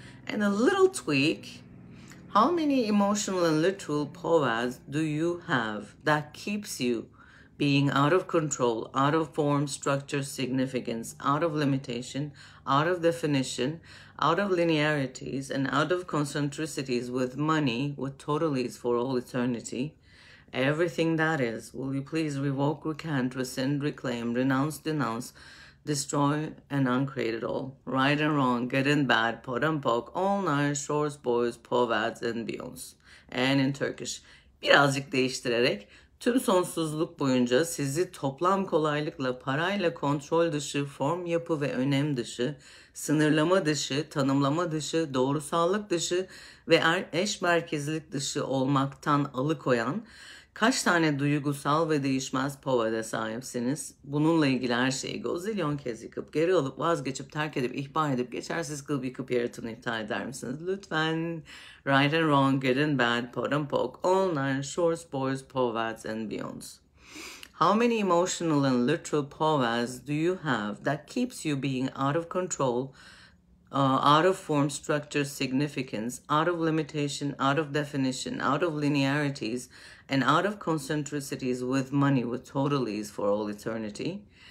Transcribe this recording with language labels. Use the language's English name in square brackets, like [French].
[English] And a little tweak, how many emotional and literal povas do you have that keeps you being out of control, out of form, structure, significance, out of limitation, out of definition, out of linearities, and out of concentricities with money, with totalities for all eternity? Everything that is, will you please revoke, recant, rescind, reclaim, renounce, denounce, destroy, and uncreate it all? Right and wrong, good and bad, pot and pock, all nine, shores, boys, povads, and beyonds. And in Turkish, [Turkish] birazcık değiştirerek, tüm sonsuzluk boyunca sizi toplam kolaylıkla, parayla, kontrol dışı, form yapı ve önem dışı, sınırlama dışı, tanımlama dışı, doğrusallık dışı ve eş merkezlik dışı olmaktan alıkoyan kaç tane duygusal ve değişmez povada sahipsiniz? Bununla ilgili her şeyi gozilyon kez yıkıp, geri alıp, vazgeçip, terk edip, ihbar edip, geçersiz kılıp, yıkıp, yaratını iptal eder misiniz? Lütfen. [English] Right and wrong, good and bad, pot and pock, all nine, shores, boys, povads, and beyonds. How many emotional and literal povas do you have that keeps you being out of control, out of form, structure, significance, out of limitation, out of definition, out of linearities, and out of concentricities with money, with totalities for all eternity?